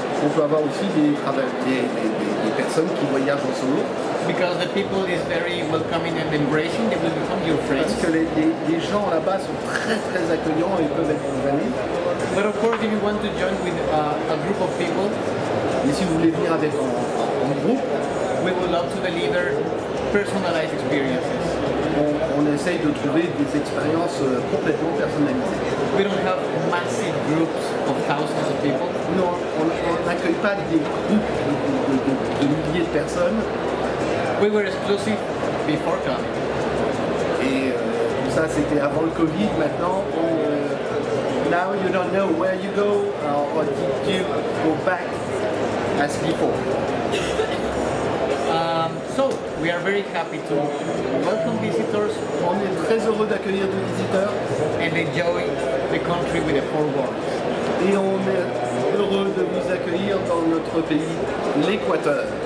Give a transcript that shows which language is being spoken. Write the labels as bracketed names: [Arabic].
[French] On peut avoir aussi des personnes qui voyagent en solo. [English] Because the people is very welcoming and embracing, they will become your friends. [French] Parce que les gens là-bas sont très très accueillants et peuvent être vos amis. [English] But of course, if you want to join with a group of people, [French] mais si vous voulez venir avec un groupe, [English] we would love to deliver personalized experiences. [French] On essaye de trouver des expériences complètement personnalisées. [English] We don't have massive groups of thousands of people. [French] Non, on n'accueille pas des groupes de milliers de personnes. [English] We were exclusive before COVID. [French] Et ça, c'était avant le COVID. [English] Maintenant, now you don't know where you go or did you go back as before. So we are very happy to welcome visitors. [French] On est très heureux d'accueillir des visiteurs. [English] And enjoy the country with the four walls. [French] Et on est heureux de vous accueillir dans notre pays, l'Équateur.